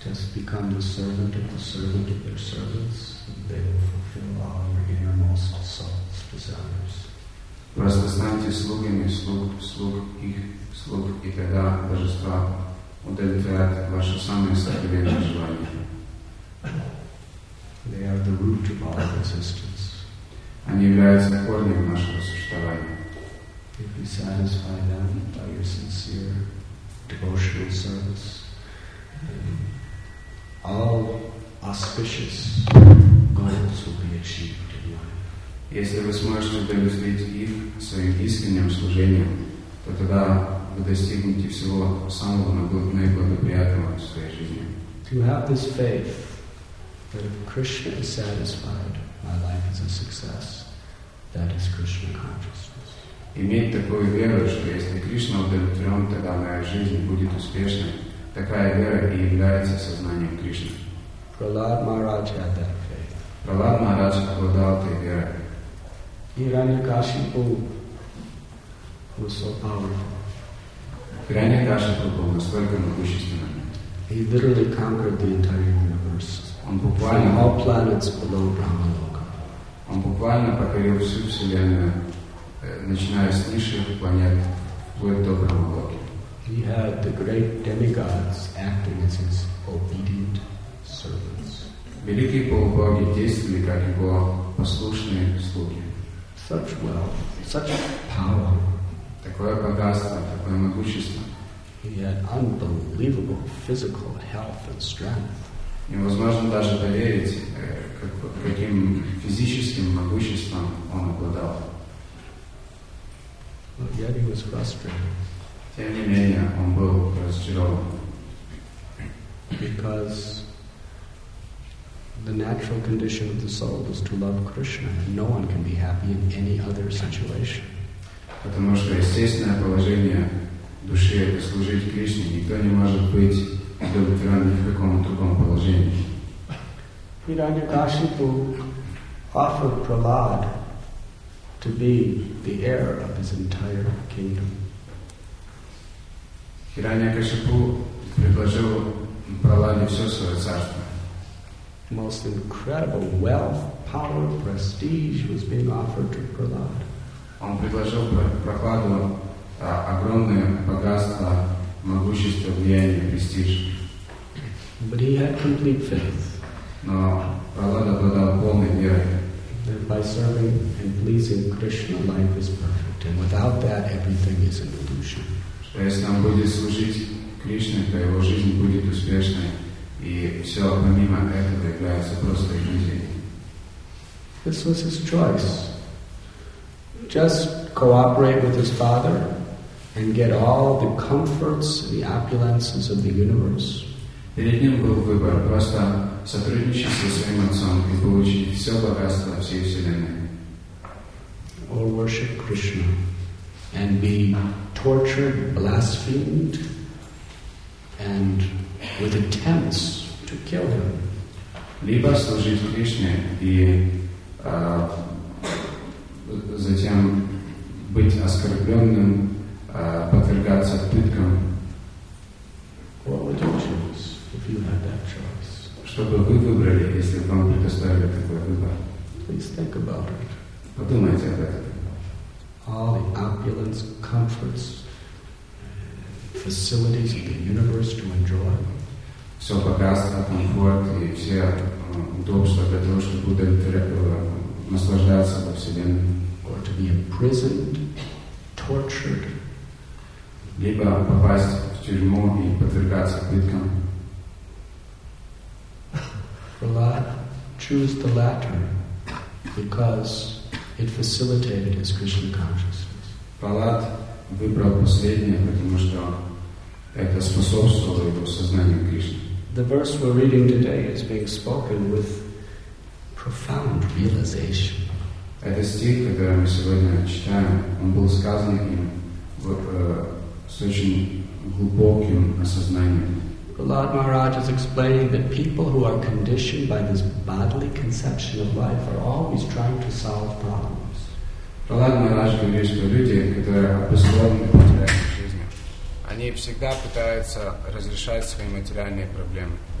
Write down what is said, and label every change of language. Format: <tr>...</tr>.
<en>Servant of the servant of their servants, and they will fulfill our innermost soul's desires.</en> <ru>Просто станьте слугами слуг их слуг, и тогда божества удовлетворят ваши самые сокровенные желания.</ru> <en>They are the root of our existence.</en> <ru>Они являются корнем нашего существования.</ru> <en>If you satisfy them by your sincere devotional service, all auspicious goals will be achieved in life.</en> <ru>Если вы сможете удовлетворить их своим искренним служением, то тогда вы достигнете всего самого наиблагоприятного в своей жизни.</ru> <en>To have this faith that if Krishna is satisfied, my life is a success, that is Krishna consciousness.</en> <ru>Иметь такую веру, что если Кришна удовлетворен, тогда моя жизнь будет успешной, такая вера и является сознанием Кришны.</ru> <en>Prahlad Maharaj had that faith.</en> <ru>Prahlad Maharaj обладал этой верой.</ru> <en>Hiranyakashipu was so powerful.</en> <ru>Hiranyakashipu был настолько могущественным.</ru> <en>He literally conquered the entire universe.</en> <ru>Он буквально</ru> <en>from all planets below Brahmaloka.</en> <ru>Он буквально покорил всю вселенную, начиная с низших планет вплоть до Брахмалоки.</ru> <en>He had the great demigods acting as his obedient servants.</en> <ru>Великие полубоги действовали как его послушные слуги.</ru> <en>Such wealth, such power.</en> <ru>Такое богатство, такое могущество.</ru> <en>He had unbelievable physical health and strength.</en> <ru>Невозможно даже поверить, каким физическим могуществом он обладал.</ru> <en>But yet he was frustrated.</en> <ru>Тем не менее, он был разочарован.</ru> <en>Because the natural condition of the soul is to love Krishna, and no one can be happy in any other situation.</en> <ru>Потому что естественное положение души — это служить Кришне. Никто не может быть удовлетворен ни в каком другом положении.</ru> <en>Hiranyakashipu offered Prahlad to be the heir of his entire kingdom.</en> <ru>Hiranyakashipu предложил Прахладе все свое царство.</ru> <en>Most incredible wealth, power, prestige was being offered to Prahlad.</en> <ru>Он предложил Прахладу огромное богатство, могущество, влияние, престиж.</ru> <en>But he had complete faith.</en> <ru>Но Прахлад обладал полной верой.</ru> <en>That by serving and pleasing Krishna, life is perfect, and without that, everything is an illusion.</en> <ru>Что если он будет служить Кришне, то его жизнь будет успешной, и все помимо этого является просто иллюзией.</ru> <en>This was his choice. Just cooperate with his father and get all the comforts and the opulences of the universe.</en> <ru>Перед ним был выбор просто сотрудничать со своим отцом и получить все богатство всей вселенной.</ru> <en>Or worship Krishna and be tortured, blasphemed, and with attempts to kill him.</en> <ru>Либо служить Кришне и затем быть оскорбленным, подвергаться пыткам.</ru> <en>What would you choose if you had that choice?</en> <ru>Что бы вы выбрали, если бы вам предоставили такой выбор?</ru> <en>Please think about it.</en> <ru>Подумайте об этом.</ru> <en>All the opulence, comforts, facilities of the universe to enjoy.</en> <ru>Все богатство, комфорт и все удобства для того, чтобы наслаждаться во вселенной.</ru> <en>Or to be imprisoned, tortured.</en> <ru>Либо попасть в тюрьму и подвергаться пыткам.</ru> <en>Prahlad chose the latter because it facilitated his Krishna consciousness.</en> <ru>Prahlad выбрал последнее, потому что это способствовало его сознанию Кришны.</ru> <en>The verse we're reading today is being spoken with profound realization.</en> <ru>Этот стих, который мы сегодня читаем, он был сказан им с очень глубоким осознанием.</ru> <en>Prahlad Maharaj is explaining that people who are conditioned by this bodily conception of life are always trying to solve problems.</en> <ru>Prahlad Maharaj говорит, что люди, которые обусловлены материальной жизнью, они всегда пытаются разрешать свои материальные проблемы.</ru>